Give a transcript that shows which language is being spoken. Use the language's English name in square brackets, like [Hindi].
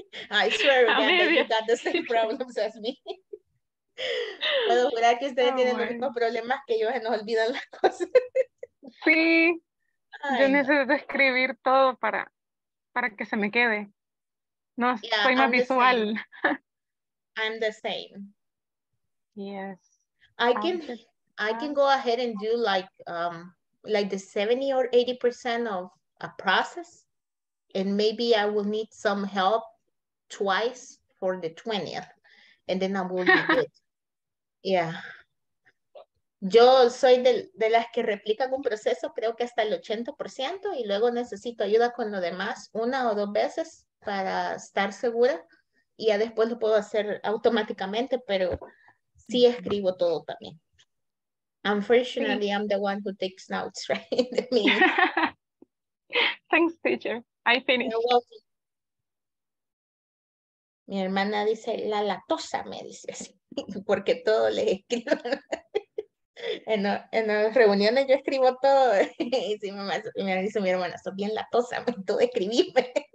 [English] I swear that you got the same problems as me. [Spanish] Puedo jurar que ustedes tienen los mismos problemas que yo, se nos olvidan las cosas. Sí. Ay, yo necesito escribir todo para que se me quede. No, yeah, soy más visual. [English] Same. I'm the same. Yes. I can go ahead and do like the 70 or 80% of a process, and maybe I will need some help twice for the 20th, and then I will be good. Yeah. [Spanish] Yo soy de las que replican un proceso, creo que hasta el 80%, y luego necesito ayuda con lo demás una o dos veces para estar segura, y ya después lo puedo hacer automáticamente, pero sí escribo todo también. [English] Unfortunately, sí. I'm the one who takes notes, right? Thanks, teacher. I finished. You're welcome. [Spanish] Mi hermana dice, la latosa, me dice así, porque todo le escribo. En las reuniones yo escribo todo. Y si mamá, me dice mi hermana, sos bien latosa, me tuve que escribirme.